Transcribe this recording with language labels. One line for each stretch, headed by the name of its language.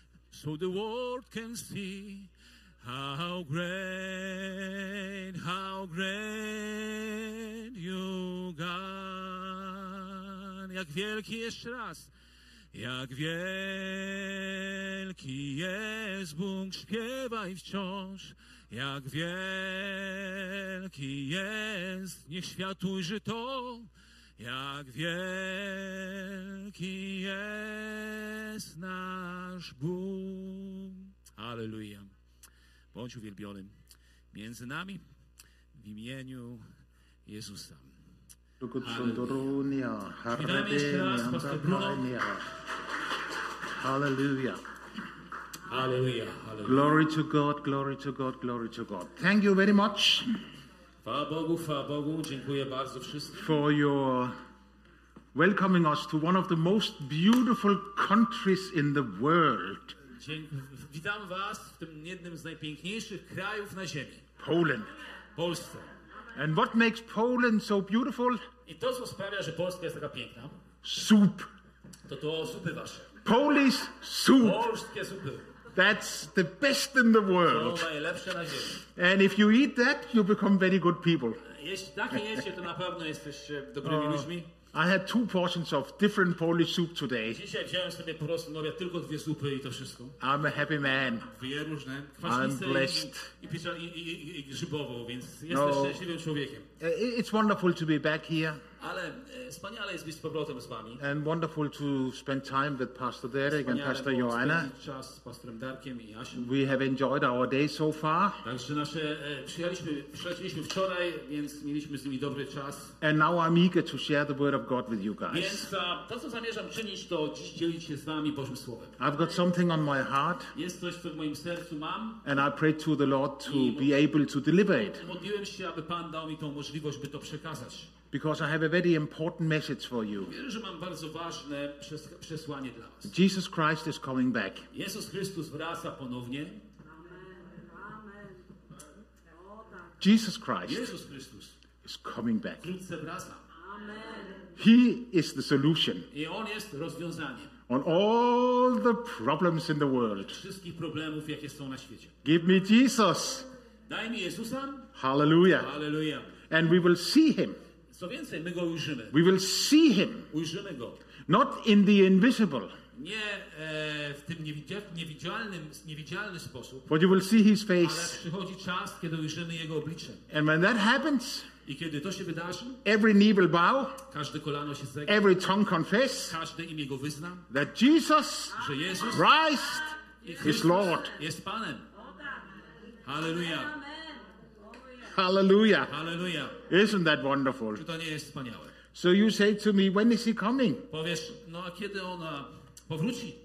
English: so the world can see how great, how great you God.
Polish: Jak wielki jeszcze raz. Jak wielki jest Bóg, śpiewaj wciąż. Jak wielki jest, niech świat ujrzy to. Jak wielki jest nasz Bóg. Alleluja. Bądź uwielbiony między nami w imieniu Jezusa. Alleluja. Witamy jeszcze raz, Pastor Bruno.
English: Hallelujah. Hallelujah. Hallelujah. Glory to God, glory to God, glory to God. Thank you very much.
Polish: Chwała Bogu, dziękuję bardzo wszystkim.
English: For your welcoming us to one of the most beautiful countries in the world.
Polish: Witam was w tym jednym z najpiękniejszych krajów na ziemi.
English: Poland.
Polish: Polska.
English: And what makes Poland so beautiful?
Polish: I to, co sprawia, że Polska jest taka piękna.
English: Soup.
Polish: To zupy wasze.
English: Polish soup.
Polish: Polskie zupy.
English: That's the best in the world.
Polish: To najlepsze na ziemi.
English: And if you eat that, you become very good people.
Polish: Jeśli takie jecie, to na pewno jesteś dobrymi ludźmi.
English: I had two portions of different Polish soup today.
Polish: Dzisiaj wziąłem sobie po prostu nawet tylko dwie zupy i to wszystko.
English: I'm a happy man.
Polish: Wieróżne. Kwaśnice
English: I'm blessed.
Polish: I grzybowo, więc jesteś szczęśliwym człowiekiem.
English: It's wonderful to be back here.
Polish: Ale wspaniale jest być z powrotem z wami.
English: And wonderful to spend time with Pastor Derek and Pastor Joanna.
Polish: Czas z Pastorem Darkiem i Asią.
English: We have enjoyed our day so far.
Polish: Także nasze przyjechaliśmy wczoraj, więc mieliśmy z nimi dobry czas.
English: And now I'm eager to share the word of God with you guys.
Polish: Więc to, co zamierzam czynić, to dziś dzielić się z wami Bożym Słowem.
English: I've got something on my heart.
Polish: Jest coś, co w moim sercu mam.
English: And I pray to the Lord to be able to deliver it.
Polish: Modliłem się, aby Pan dał mi tą możliwość, by to przekazać.
English: Because I have a very important message for you.
Polish: Wierzę, że mam bardzo ważne przesłanie dla was.
English: Jesus Christ is coming back.
Polish: Jezus Chrystus wraca ponownie.
English: Jesus Christ.
Polish: Jezus Chrystus
English: is coming back.
Polish: Wkrótce wraca.
English: Amen. He is the solution.
Polish: I on jest rozwiązaniem.
English: On all the problems in the world.
Polish: Wszystkich problemów, jakie są na świecie.
English: Give me Jesus.
Polish: Daj mi Jezusa.
English: Hallelujah. Hallelujah. And we will see him.
Polish: Co więcej, my go ujrzymy.
English: We will see him.
Polish: Ujrzymy go.
English: Not in the invisible.
Polish: Nie w tym niewidzialny sposób.
English: But you will see his face.
Polish: Ale przychodzi czas, kiedy ujrzymy jego oblicze.
English: And when that happens,
Polish: i kiedy to się wydarzy,
English: every knee will bow,
Polish: każde kolano się zegnie,
English: every tongue confess,
Polish: każde imię go wyzna,
English: that Jesus,
Polish: że Jezus,
English: Christ, is Lord.
Polish: Jest Panem. Hallelujah.
English: Hallelujah. Hallelujah. Isn't that wonderful?
Polish: Czy to nie jest wspaniałe?
English: So you say to me, when is he coming?
Polish: Powiesz, no a kiedy ona powróci?